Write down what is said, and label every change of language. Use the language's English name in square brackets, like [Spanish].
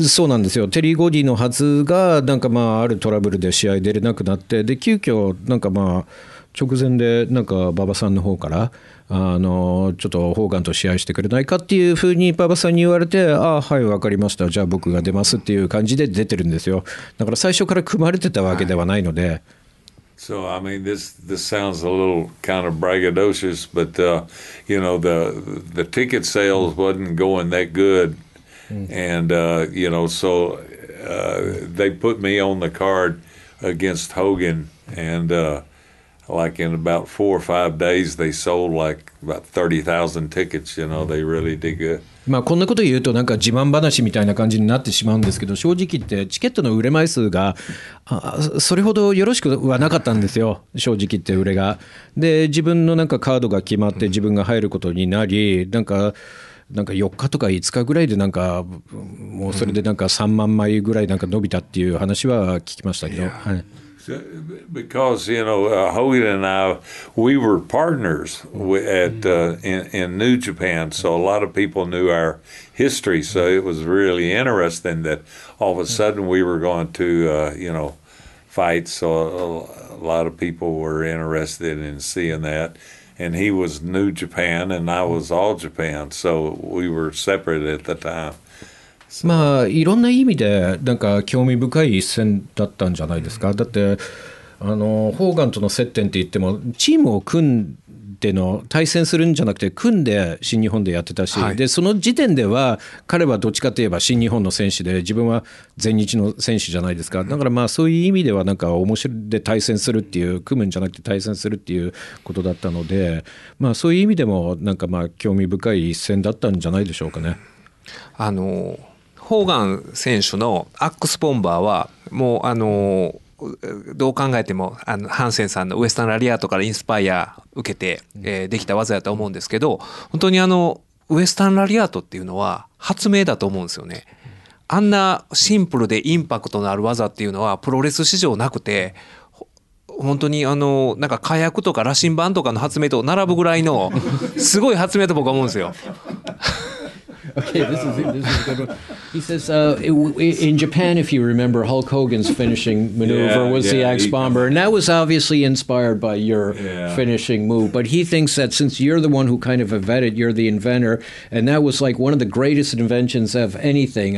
[Japanese] そうなんですよ。テリー・ゴーディのはずがなんかまああるトラブルで試合出れなくなって、で急遽なんかまあ直前でなんか馬場さんの方からちょっとホーガンと試合してくれないかっていうふうに馬場さんに言われて、ああはい分かりました、じゃあ僕が出ますっていう感じで出てるんですよ。だから最初から組まれてたわけではないので。 [English] So I mean, this sounds a little kind of braggadocious, but the ticket sales wasn't going that good, and so they put me on the card against Hogan, and like in about 4 or 5 days, they sold like about 30,000 tickets. They really did good. [Japanese] まあ、こんなこと言うとなんか自慢話みたいな感じになってしまうんですけど、正直言ってチケットの売れ枚数がそれほどよろしくはなかったんですよ、正直言って売れが。で自分のなんかカードが決まって自分が入ることになり、なんか4日とか5日ぐらいでなんかもうそれでなんか3万枚ぐらいなんか伸びたっていう話は聞きましたけど、はい。 [English] Because, Hogan and I, we were partners in New Japan, so a lot of people knew our history, so it was really interesting that all of a sudden we were going to, fight, so a lot of people were interested in seeing that, and he was New Japan, and I was All Japan, so we were separate at the time. [Japanese] まあ、いろんな意味でなんか興味深い一戦だったんじゃないですか。だってホーガンとの接点って言ってもチームを組んでの対戦するんじゃなくて組んで新日本でやってたし、はい、でその時点では彼はどっちかといえば新日本の選手で自分は全日の選手じゃないですか。だからまあそういう意味ではなんか面白いで対戦するっていう、組むんじゃなくて対戦するっていうことだったので、まあ、そういう意味でもなんかまあ興味深い一戦だったんじゃないでしょうかね。ホーガン選手のアックスボンバーはもうどう考えてもハンセンさんのウエスタンラリアートからインスパイア受けて、できた技だと思うんですけど、本当にウエスタンラリアートっていうのは発明だと思うんですよね。あんなシンプルでインパクトのある技っていうのはプロレス史上なくて、本当になんか火薬とか羅針盤とかの発明と並ぶぐらいのすごい発明だと僕は思うんですよ。 [English] Okay, this is incredible. He says, in Japan, if you remember, Hulk Hogan's finishing maneuver was the Axe Bomber. And that was obviously inspired by your finishing move. But he thinks that since you're the one who kind of invented, you're the inventor, and that was like one of the greatest inventions of anything.